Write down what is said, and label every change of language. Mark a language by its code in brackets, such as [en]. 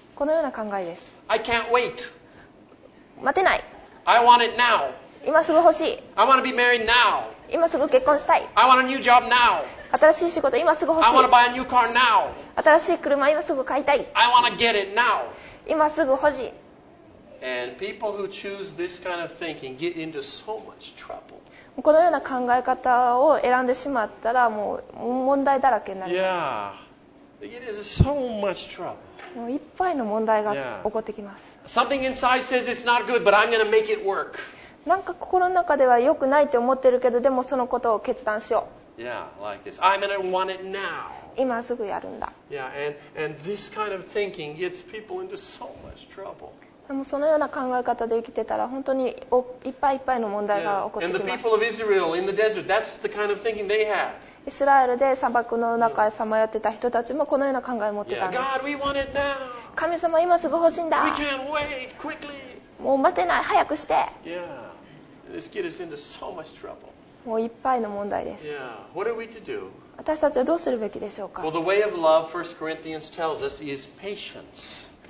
[ja] このような考えです。 [en] I can't wait. [ja] 待てない。 [en] I want it now. [ja] 今すぐ欲しい。 [en] I want to be married now. [ja] 今すぐ結婚したい。 [en] I want a new job now. [ja] 新しい仕事今すぐ欲しい。 [en] I want to buy a new car now. [ja] 新しい車今すぐ買いたい。 [en] I want to get it now. [ja] 今すぐ欲しい。 [en] And people who choose this kind of thinking get into so much trouble. [ja] このような考え方を選んでしまったらもう問題だらけになります。 [en] Yeah. It is so much trouble. [ja] もういっぱいの問題が起こってきます。 [en] Yeah. Something inside says it's not good, but I'm going to make it work. [ja] なんか心の中では良くないと思ってるけど、でもそのことを決断しよう。 [en] Yeah, like this. I'm going to want it now. [ja] 今すぐやるんだ。 [en] Yeah, and this kind of thinking gets people into so much trouble. [ja] でもそのような考え方で生きてたら本当にいっぱいいっぱいの問題が起こってきます。 [en] And the people of Israel in the desert, that's the kind of thinking they had. [ja] イスラエルで砂漠の中へさまよってた人たちもこのような考えを持ってたんです。 [en] Yeah, God, we want it now. [ja] 神様今すぐ欲しいんだ。 [en] We can't wait, quickly. [ja] もう待てない、早くして。 [en] Yeah, this gets into so much trouble. [ja] もういっぱいの問題です。 [en] Yeah. What are we to do? [ja] 私たちはどうするべきでしょうか。 [en] Well, the way of love, 1 Corinthians tells us, is patience.